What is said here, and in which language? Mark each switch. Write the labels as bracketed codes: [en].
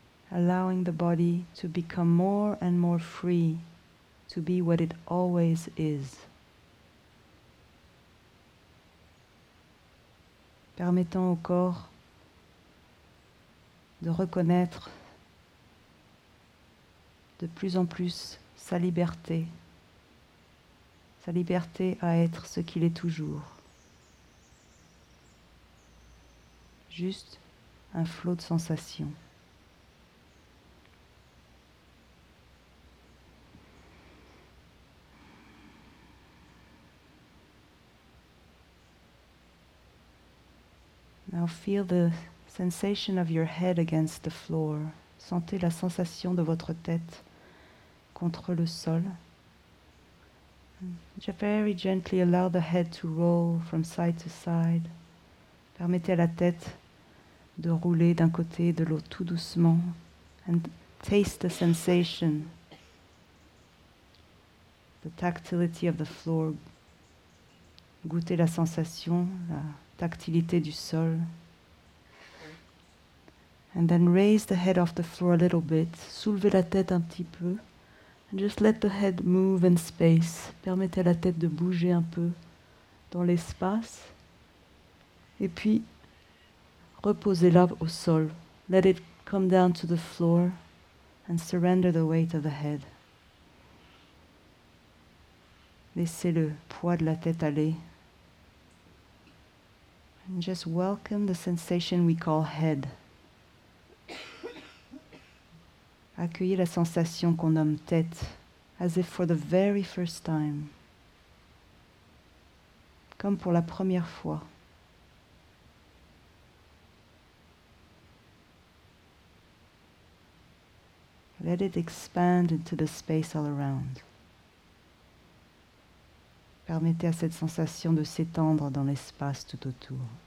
[en] allowing the body to become more and more free to be what it always is. [fr] Permettant au corps de reconnaître de plus en plus sa liberté à être ce qu'il est toujours. Juste un flot de sensations. [en] Now feel the sensation of your head against the floor. [fr] Sentez la sensation de votre tête contre le sol. [en] Just very gently allow the head to roll from side to side. [fr] Permettez à la tête de rouler d'un côté et de l'autre tout doucement. [en] And taste the sensation, the tactility of the floor. [fr] Goûtez la sensation, la tactilité du sol. [en] And then raise the head off the floor a little bit. [fr] Soulevez la tête un petit peu. [en] And just let the head move in space. [fr] Permettez à la tête de bouger un peu dans l'espace. Et puis, reposez-la au sol. [en] Let it come down to the floor and surrender the weight of the head. [fr] Laissez le poids de la tête aller. [en] And just welcome the sensation we call head. [fr] Accueillez la sensation qu'on nomme tête, [en] as if for the very first time. [fr] Comme pour la première fois. [en] Let it expand into the space all around. [fr] Permettez à cette sensation de s'étendre dans l'espace tout autour.